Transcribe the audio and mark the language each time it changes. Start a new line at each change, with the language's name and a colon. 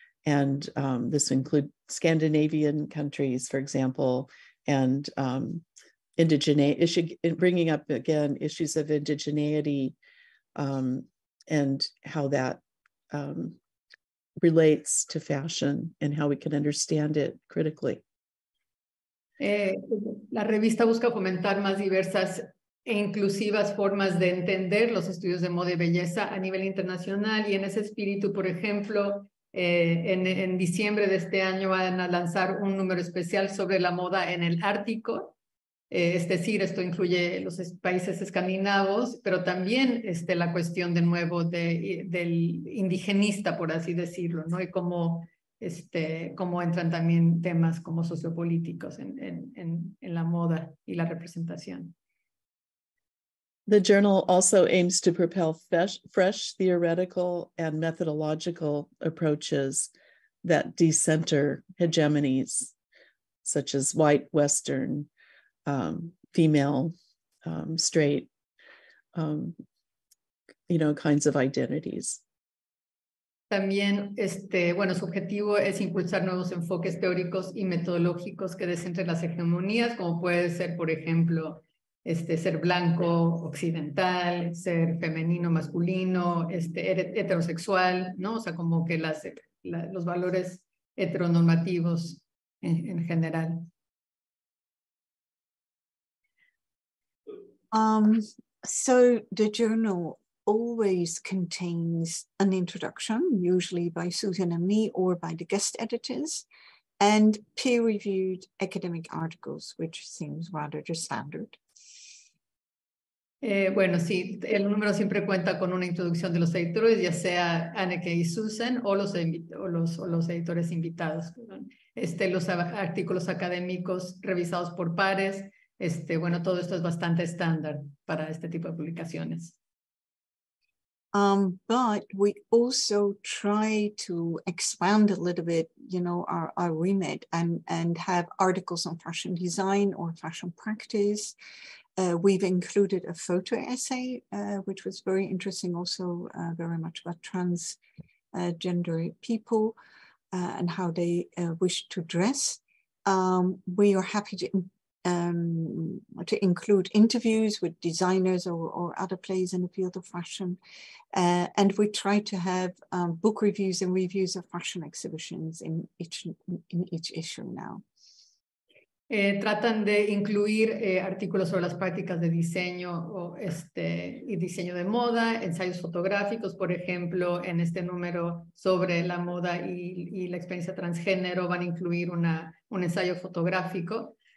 English: And this includes Scandinavian countries, for example, and bringing up again issues of indigeneity and how that relates to fashion and how we can understand it critically.
Spanish: La revista busca fomentar más diversas e inclusivas formas de entender los estudios de moda y belleza a nivel internacional, y en ese espíritu, por ejemplo, en diciembre de este año van a lanzar un número especial sobre la moda en el Ártico. Es decir, esto incluye los países escandinavos, pero también la cuestión de nuevo del indigenista, por así decirlo, ¿no? Y cómo entran también temas como sociopolíticos en la moda y la representación.
English: The journal also aims to propel fresh theoretical and methodological approaches that decenter hegemonies, such as white, Western, female, straight, kinds of identities.
Spanish: También, su objetivo es impulsar nuevos enfoques teóricos y metodológicos que descentren las hegemonías, como puede ser, por ejemplo, ser blanco, occidental, ser femenino, masculino, heterosexual, ¿no? O sea, como que los valores heteronormativos en general.
English: So the journal always contains an introduction, usually by Susan and me or by the guest editors, and peer-reviewed academic articles, which seems rather the standard.
Spanish: Sí, el número siempre cuenta con una introducción de los editores, ya sea Anneke y Susan o los editores invitados. Los artículos académicos revisados por pares. Todo esto es bastante estándar para este tipo de publicaciones.
English: But we also try to expand a little bit, our remit and have articles on fashion design or fashion practice. We've included a photo essay, which was very interesting, also very much about transgender people and how they wish to dress. We are happy to include interviews with designers or other players in the field of fashion. And we try to have book reviews and reviews of fashion exhibitions in each issue now.
Spanish: Tratan de incluir artículos sobre las prácticas de diseño y diseño de moda, ensayos fotográficos, por ejemplo, en este número sobre la moda y la experiencia transgénero van a incluir un ensayo fotográfico.